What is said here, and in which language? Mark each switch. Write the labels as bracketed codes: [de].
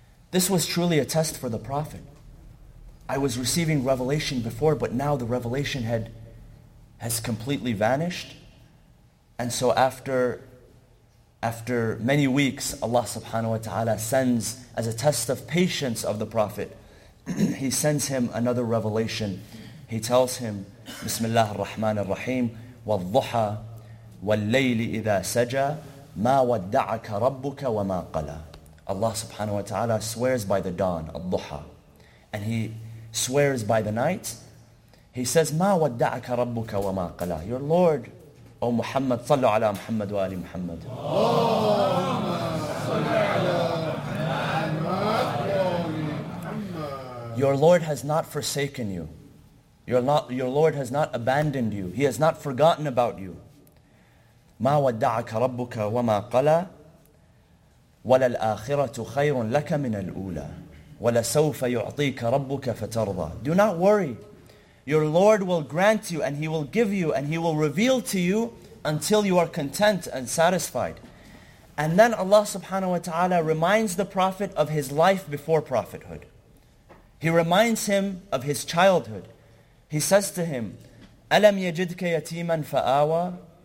[en] This was truly a test for the Prophet. I was receiving revelation before, but now the revelation has completely vanished. And so after many weeks, Allah subhanahu wa ta'ala sends, as a test of patience of the Prophet, He sends him another revelation. He tells him, [ar] Bismillah ar-Rahman ar-Rahim, وَالضُّحَى وَاللَّيْلِ إِذَا سَجَى مَا وَدَّعَكَ رَبُّكَ وَمَا قَلَى. [en] Allah subhanahu wa ta'ala swears by the dawn, al-duha. And He swears by the night. He says, [ar] مَا وَدَّعَكَ رَبُّكَ وَمَا قَلَى. [en] Your Lord, O Muhammad, [ar] صَلُّ عَلَى مُحَمَّدُ وَآلِ مُحَمَّدُ. [en] Your Lord has not forsaken you. Your Lord has not abandoned you. He has not forgotten about you. [ar] مَا وَدَّعَكَ رَبُّكَ وَمَا قَلَى وَلَلْآخِرَةُ خَيْرٌ لَكَ مِنَ الْأُولَى وَلَسَوْفَ يُعْطِيكَ رَبُّكَ فَتَرْضَى. [en] Do not worry. your Lord will grant you, and He will give you, and He will reveal to you until you are content and satisfied. And then Allah subhanahu wa ta'ala reminds the Prophet of his life before prophethood. He reminds him of his childhood. He says to him, [ar] أَلَمْ يَجِدْكَ يَتِيمًا فَآوَى?